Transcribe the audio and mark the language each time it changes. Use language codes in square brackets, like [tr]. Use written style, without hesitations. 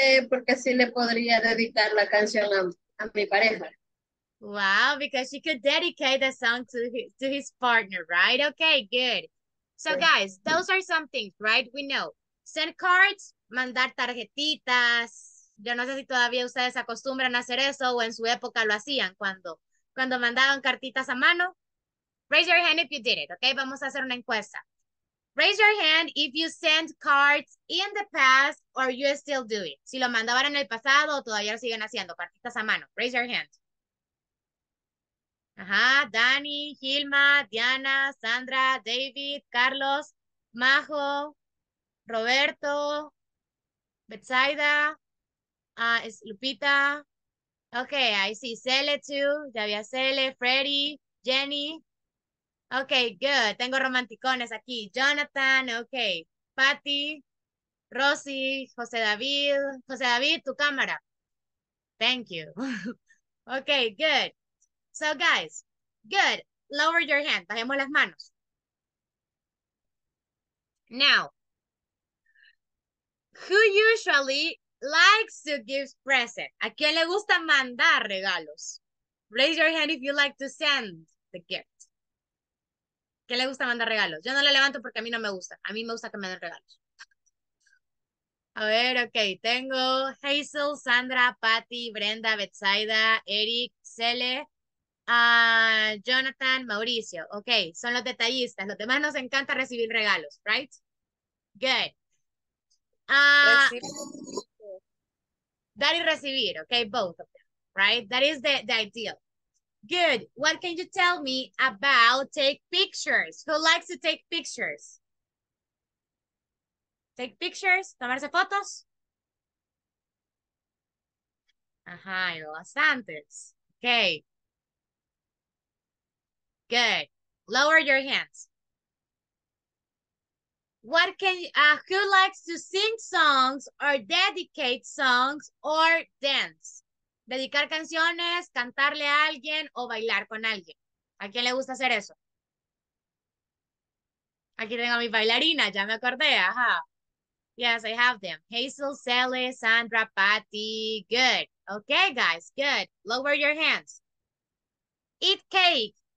[es] Porque sí le podría dedicar la canción a mi pareja. [en] Wow, because she could dedicate the song to his partner, right? Okay, good. So guys, those are some things, right? We know. Send cards, [es] mandar tarjetitas. Yo no sé si todavía ustedes acostumbran a hacer eso o en su época lo hacían cuando mandaban cartitas a mano. [en] Raise your hand if you did it, okay? [es] Vamos a hacer una encuesta. [en] Raise your hand if you send cards in the past or you still do it. [es] Si lo mandaban en el pasado o todavía lo siguen haciendo, cartitas a mano. [en] Raise your hand. [es] Ajá, Dani, Gilma, Diana, Sandra, David, Carlos, Majo, Roberto, Betsaida, es Lupita. [en] Okay, I see Cele too. [es] Ya había Cele, [en] Freddy, Jenny. Okay, good. [es] Tengo romanticones aquí. Jonathan, okay. Patty, Rosy, José David. [en] José David, [es] tu cámara. [en] Thank you. Okay, good. So guys, good. Lower your hand. [es] Bajemos las manos. [en] Now, who usually likes to give presents? [es] ¿A quién le gusta mandar regalos? [en] Raise your hand if you like to send the gift. [es] ¿Quién le gusta mandar regalos? Yo no le levanto porque a mí no me gusta. A mí me gusta que me den regalos. A ver, okay. Tengo Hazel, Sandra, Patty, Brenda, Betsaida, Eric, Cele, Jonathan, Mauricio. Okay, son los detallistas. Los demás nos encanta recibir regalos, right? [en] Good. [es] Dar y recibir, [en] okay, both of them, right? That is the ideal. Good. What can you tell me about take pictures? Who likes to take pictures? Take pictures? [es] Tomarse fotos? Ajá, y bastantes. Okay. [en] Good. Lower your hands. What can who likes to sing songs or dedicate songs or dance? [es] Dedicar canciones, cantarle a alguien o bailar con alguien. ¿A quién le gusta hacer eso? Aquí tengo a mi bailarina, ya me acordé, ajá. [en] Yes, I have them. Hazel, Sally, Sandra, Patty. Good. Okay, guys, good. Lower your hands. Eat cake.